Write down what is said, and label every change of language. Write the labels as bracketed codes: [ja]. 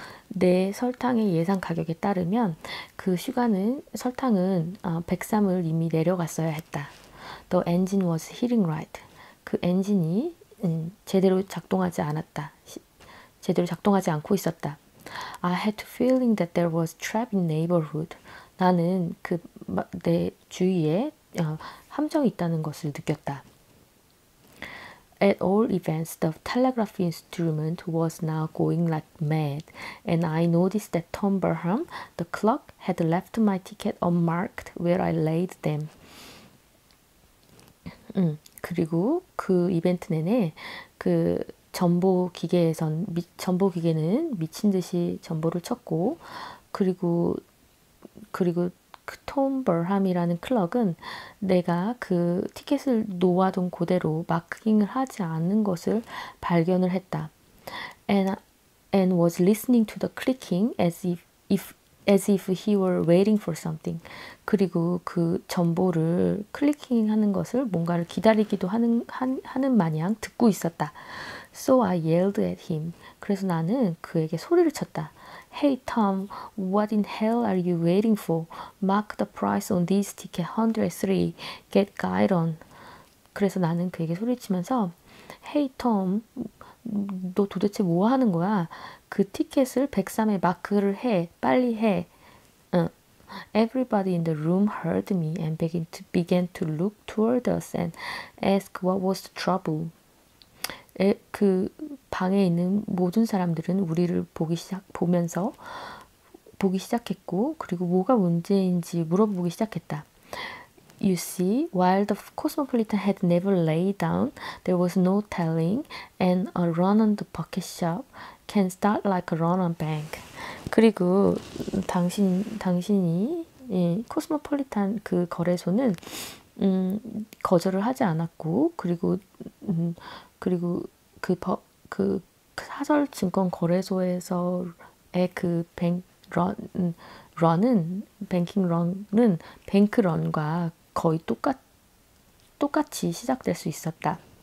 [ko] 내 설탕의 예상 가격에 따르면 그 슈가는 설탕은 103을 이미 내려갔어야 했다. [en] The engine was hitting right. [ko] 그 엔진이 제대로 작동하지 않았다. 제대로 작동하지 않고 있었다. [en] I had a feeling that there was trap in neighborhood. [ko] 나는 그 내 주위에 함정이 있다는 것을 느꼈다. [en] At all events, the telegraph instrument was now going like mad, and I noticed that Tom Burham, the clerk, had left my ticket unmarked where I laid them. [ko] 그리고 그 이벤트 내내 그 전보 기계에선 전보 기계는 미친 듯이 전보를 쳤고 그리고 그 톰 버함이라는 클럭은 내가 그 티켓을 놓아둔 그대로 마킹을 하지 않는 것을 발견을 했다. [en] And was listening to the clicking as if he were waiting for something. [ko] 그리고 그 전보를 클리킹 하는 것을 뭔가를 기다리기도 하는 마냥 듣고 있었다. [en] So I yelled at him. [ko] 그래서 나는 그에게 소리를 쳤다. [en] Hey Tom, what in hell are you waiting for? Mark the price on this ticket 103. Get guide on. [ko] 그래서 나는 그에게 소리치면서 Hey Tom, 너 도대체 뭐 하는 거야? 그 티켓을 103에 마크를 해. 빨리 해. [en] Everybody in the room heard me and began to look toward us and ask what was the trouble. [ko] 그 방에 있는 모든 사람들은 우리를 보기 시작했고 그리고 뭐가 문제인지 물어보기 시작했다. [en] You see, while the Cosmopolitan had never laid down, there was no telling, and a run on the bucket shop can start like a run on bank. [ko] 그리고 당신이 예, 코스모폴리탄 그 거래소는 거절을 하지 않았고 그리고 그 사설 증권 거래소에서의 그 뱅크 런과 거의 똑같이 시작될 수 있었다.